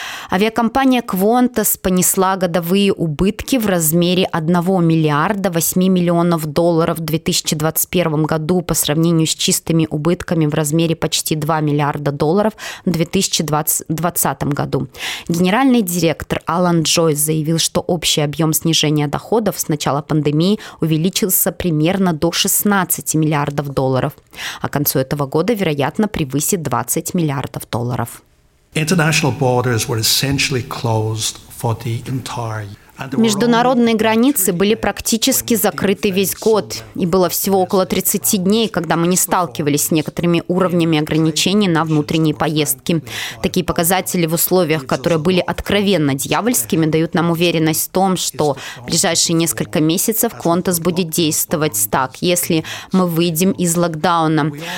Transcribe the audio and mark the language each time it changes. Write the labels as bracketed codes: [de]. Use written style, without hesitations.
[ru] Авиакомпания Qantas понесла годовые убытки в размере 1 миллиарда 8 миллионов долларов в 2021 году по сравнению с чистыми убытками в размере почти 2 миллиарда долларов в 2020 году. Генеральный директор Алан Джойс заявил, что общий объем снижения доходов с начала пандемии увеличился примерно до 16 миллиардов долларов, а к концу этого года, вероятно, превысит 20 миллиардов долларов. [en] International borders were essentially closed for the entire year. [ru] Международные границы были практически закрыты весь год, и было всего около 30 дней, когда мы не сталкивались с некоторыми уровнями ограничений на внутренние поездки. Такие показатели в условиях, которые были откровенно дьявольскими, дают нам уверенность в том, что в ближайшие несколько месяцев Qantas будет действовать так, если мы выйдем из локдауна.